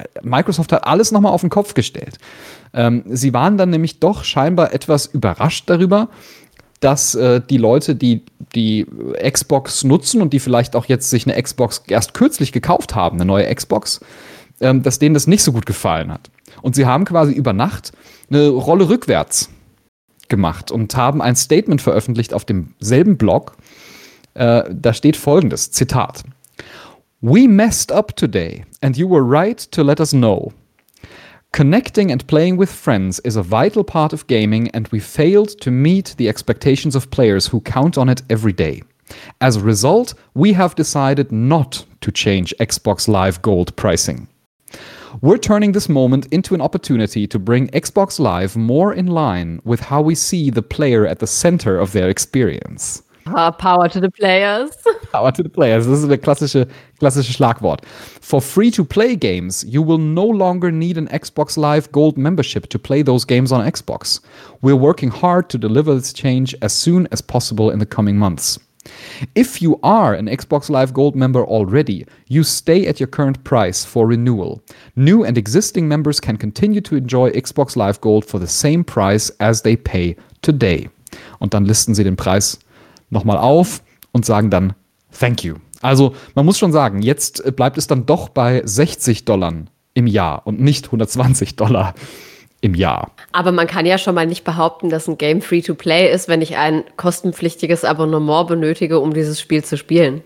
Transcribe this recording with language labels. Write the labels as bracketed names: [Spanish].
[German] Microsoft hat alles nochmal auf den Kopf gestellt. Sie waren dann nämlich doch scheinbar etwas überrascht darüber, dass die Leute, die Xbox nutzen und die vielleicht auch jetzt sich eine Xbox erst kürzlich gekauft haben, eine neue Xbox, dass denen das nicht so gut gefallen hat. Und sie haben quasi über Nacht eine Rolle rückwärts gemacht und haben ein Statement veröffentlicht auf demselben Blog. Da steht folgendes, Zitat. [English] We messed up today and you were right to let us know. Connecting and playing with friends is a vital part of gaming and we failed to meet the expectations of players who count on it every day. As a result, we have decided not to change Xbox Live Gold pricing. We're turning this moment into an opportunity to bring Xbox Live more in line with how we see the player at the center of their experience. Power to the players. Power to the players. [German] Das ist ein klassisches Schlagwort. [English] For free-to-play games, you will no longer need an Xbox Live Gold membership to play those games on Xbox. We're working hard to deliver this change as soon as possible in the coming months. If you are an Xbox Live Gold member already, you stay at your current price for renewal. New and existing members can continue to enjoy Xbox Live Gold for the same price as they pay today. [German] Und dann listen sie den Preis nochmal auf und sagen dann [English] thank you. [German] Also man muss schon sagen, jetzt bleibt es dann doch bei $60 im Jahr und nicht $120 im Jahr. Aber man kann ja schon mal nicht behaupten, dass ein Game Free-to-Play ist, wenn ich ein kostenpflichtiges Abonnement benötige, um dieses Spiel zu spielen.